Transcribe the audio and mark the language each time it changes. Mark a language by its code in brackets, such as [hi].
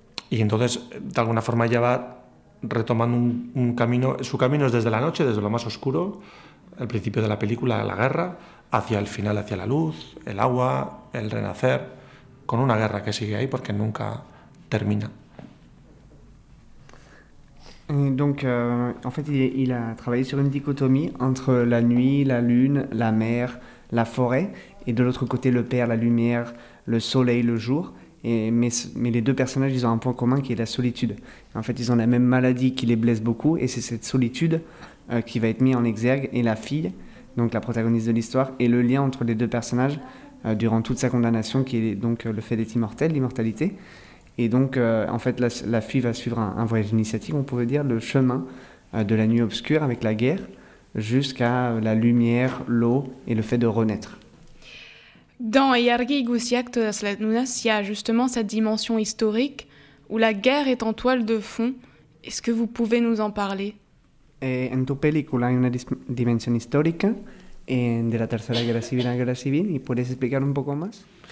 [es] Y entonces, de alguna forma, ella va retomando un camino. Su camino es desde la noche, desde lo más oscuro, al principio de la película, la guerra, hacia el final, hacia la luz, el agua, el renacer, con una guerra que sigue ahí porque nunca termina. [fr] Donc, en fait, il a travaillé sur une dichotomie entre la nuit, la lune, la mer, la forêt, et de l'autre côté, le père, la lumière, le soleil, le jour. Mais les deux personnages, ils ont un point commun qui est la solitude. En fait, ils ont la même maladie qui les blesse beaucoup, et c'est cette solitude qui va être mise en exergue. Et la fille, donc la protagoniste de l'histoire, est le lien entre les deux personnages durant toute sa condamnation, qui est donc le fait d'être immortel, l'immortalité. Et donc, en fait, la fille va suivre un voyage initiatique, on pourrait dire, le chemin de la nuit obscure avec la guerre jusqu'à la lumière, l'eau et le fait de renaître. Dans Yargi Gusiak Todas las Lunas, il y a justement cette dimension historique où la guerre est en toile de fond. Est-ce que vous pouvez nous en parler ? [es] En tu película, hay una dimensión histórica de la tercera guerra civil a la guerra civil. ¿Y puedes explicar un poco más?